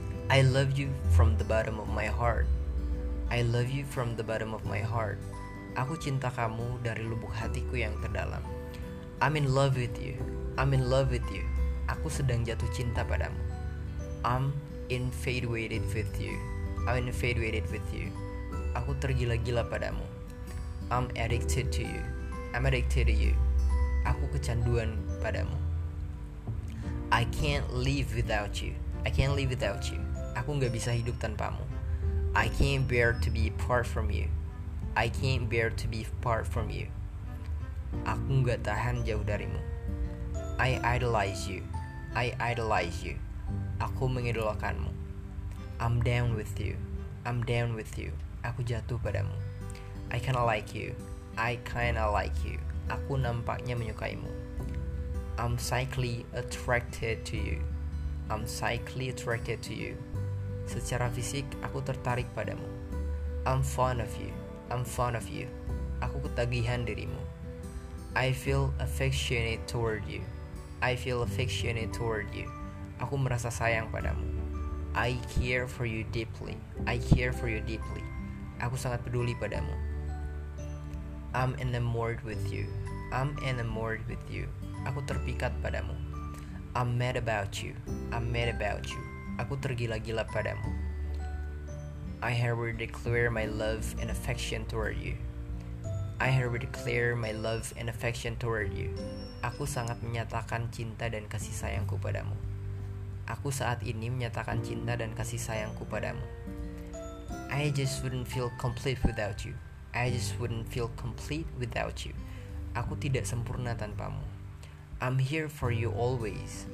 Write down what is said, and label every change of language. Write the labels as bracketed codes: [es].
[en] I love you from the bottom of my heart. I love you from the bottom of my heart. [id] Aku cinta kamu dari lubuk hatiku yang terdalam. [en] I'm in love with you. I'm in love with you. [id] Aku sedang jatuh cinta padamu. [en] I'm infatuated with you. I'm infatuated with you. [id] Aku tergila-gila padamu. [en] I'm addicted to you. I'm addicted to you. [id] Aku kecanduan padamu. [en] I can't live without you. I can't live without you. [id] Aku gak bisa hidup tanpamu. [en] I can't bear to be apart from you. I can't bear to be apart from you. [id] Aku gak tahan jauh darimu. [en] I idolize you. I idolize you. [id] Aku mengidolakanmu. [en] I'm down with you. I'm down with you. [id] Aku jatuh padamu. [en] I kinda like you. I kinda like you. [id] Aku nampaknya menyukaimu. [en] I'm psychically attracted to you. I'm psychically attracted to you. [id] Secara fisik, aku tertarik padamu. [en] I'm fond of you. I'm fond of you. [id] Aku ketagihan dirimu. [en] I feel affectionate toward you. I feel affectionate toward you. [id] Aku merasa sayang padamu. [en] I care for you deeply. I care for you deeply. [id] Aku sangat peduli padamu. [en] I'm enamored with you. I'm enamored with you. [id] Aku terpikat padamu. [en] I'm mad about you. I'm mad about you. [id] Aku tergila-gila padamu. [en] I have declared my love and affection toward you. I have declared my love and affection toward you. [id] Aku sangat menyatakan cinta dan kasih sayangku padamu. Aku saat ini menyatakan cinta dan kasih sayangku padamu. [en] I just wouldn't feel complete without you. I just wouldn't feel complete without you. [id] Aku tidak sempurna tanpamu. [en] I'm here for you always.